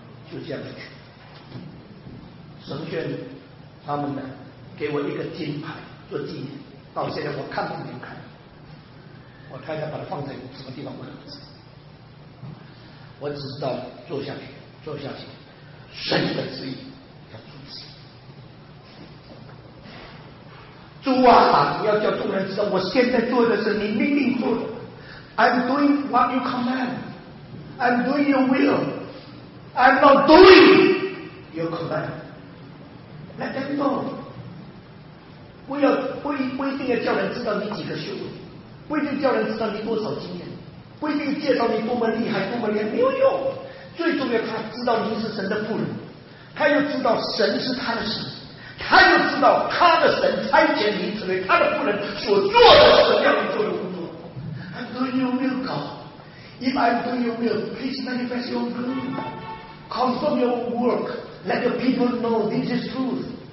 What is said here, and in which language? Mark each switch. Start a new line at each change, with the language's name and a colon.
Chinese: 就这样子去，神学院他们呢给我一个金牌做纪念，到现在我看都没有看，我太太把它放在什么地方我也不知道，我只知道坐下去，坐下去，神的旨意要遵行。主啊，你要叫众人知道，我现在做的是你命令做的。
English: I'm doing what you command, I'm doing your will. I'm not doing your command. Let them know.
Chinese: 不一定要叫人知道你几个学位，不一定叫人知道你多少经验，不一定介绍你多么厉害多么厉害，没有用。最重要他知道你是神的仆人，他又知道神是他的神，他又知道他的神差遣你成为他的仆人所做的事，要你做的工作。
English: I'm doing your will, God. If I'm doing your will, please manifest your glory. Confirm your work. Let the people know this is truth.